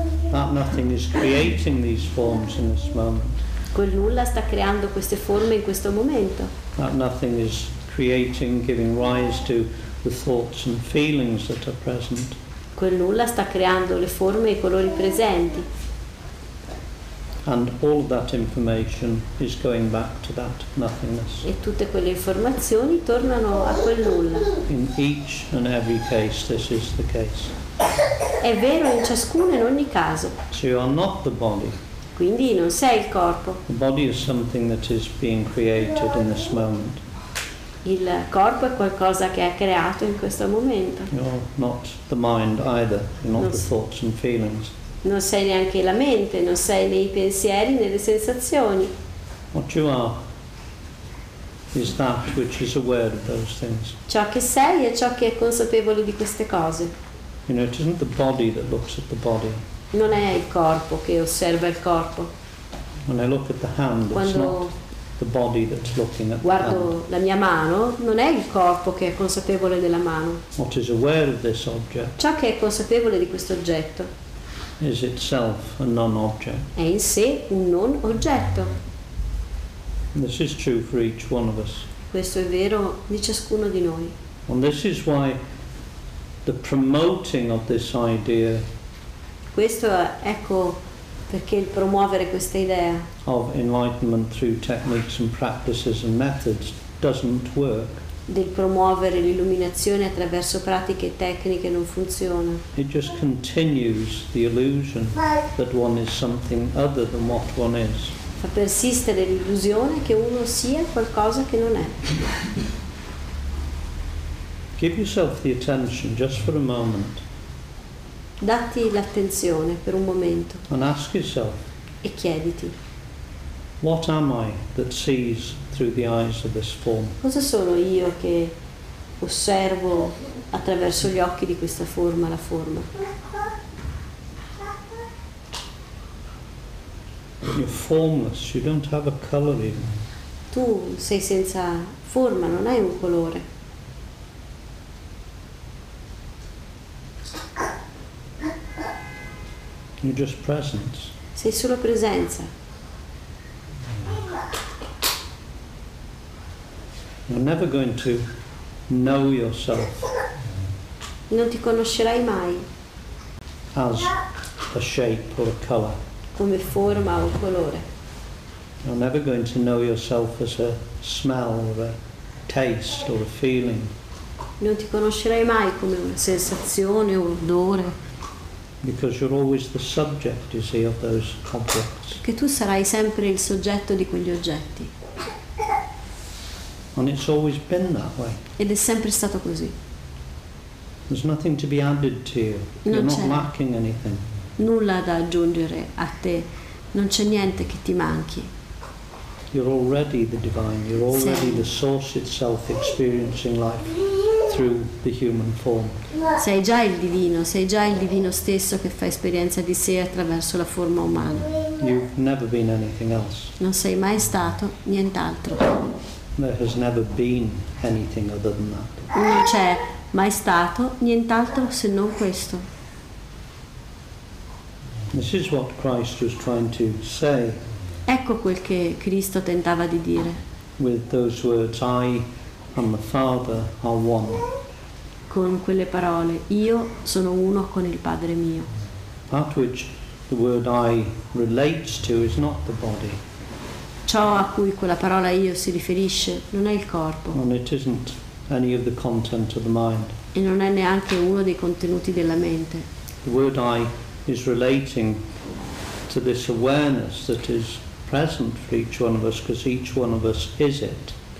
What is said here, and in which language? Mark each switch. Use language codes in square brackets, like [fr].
[en] That nothing is creating these forms in this moment. [it] Quel nulla sta creando queste forme in questo momento. [en] That nothing is creating, giving rise to the thoughts and feelings that are present. [it] Quel nulla sta creando le forme e i colori presenti. [en] And all of that information is going back to that nothingness. [it] E tutte quelle informazioni tornano a quel nulla. [en] In each and every case, this is the case. [it] È vero in ciascuno e in ogni caso. [en] So you are not the body. [it] Quindi non sei il corpo. [en] The body is something that is being created in this moment. [it] Il corpo è qualcosa che è creato in questo momento. [en] You're not the mind either. You're not the thoughts and feelings. [it] Non sei neanche la mente, non sei nei pensieri, nelle sensazioni. [en] What you are is that which is aware of those things. [it] Ciò che sei è ciò che è consapevole di queste cose. [en] You know, it isn't the body that looks at the body. [it] Non è il corpo che osserva il corpo. [en] When I look at the hand, [it] quando [en] it's not the body that's looking at [it] guardo [en] the hand. [it] La mia mano, non è il corpo che è consapevole della mano. [en] What is aware of this object. [it] Ciò che è consapevole di questo oggetto. [en] Is itself a non-object. [it] È in sé un non oggetto. [en] This is true for each one of us. [it] Questo è vero di ciascuno di noi. [en] And this is why the promoting of this idea. [it] Questo è, ecco perché il promuovere questa idea. [en] Of enlightenment through techniques and practices and methods doesn't work. [it] Del promuovere l'illuminazione attraverso pratiche e tecniche non funziona. [en] It just continues the illusion that one is something other than what one is. [it] Fa persistere l'illusione che uno sia qualcosa che non è. [en] Give yourself the attention just for a moment. [it] Datti l'attenzione per un momento. [en] And ask yourself. [it] E chiediti. [en] What am I that sees through the eyes of this form? [it] Cosa sono io che osservo attraverso gli occhi di questa forma, la forma? [en] You're formless, you don't have a color even. [it] Tu sei senza forma, non hai un colore. [en] You're just presence. [it] Sei solo presenza. [en] You're never going to know yourself. [it] Non ti conoscerai mai. [en] As a shape or a color. [it] Come forma o colore. [en] You're never going to know yourself as a smell or a taste or a feeling. [it] Non ti conoscerai mai come una sensazione o un odore. [en] Because you're always the subject, you see, of those objects. [it] Perché tu sarai sempre il soggetto di quegli oggetti. [en] And it's always been that way. [it] Ed è sempre stato così. [en] There's nothing to be added to you. [it] Non [en] you're [it] c'è [en] not lacking anything. [it] Nulla da aggiungere a te. Non c'è niente che ti manchi. [en] you're already the divine, you're already the source itself experiencing life through the human form. [it] Sei già il divino stesso che fa esperienza di sé attraverso la forma umana. [en] You've never been anything else. [it] Non sei mai stato nient'altro. [en] There has never been anything other than that. [it] Non c'è mai stato nient'altro se non questo. [en] This is what Christ was trying to say. [it] Ecco quel che Cristo tentava di dire. [en] With those words, I and the Father are one. [it] Con quelle parole, io sono uno con il Padre mio. [en] That which the word I relates to is not the body. [it] Ciò a cui quella parola io si riferisce non è il corpo. [en] And it isn't any of the content of the mind. [it] E non è neanche uno dei contenuti della mente. [en] The word I is relating to this awareness that is present for each one of us, because each one of us is it.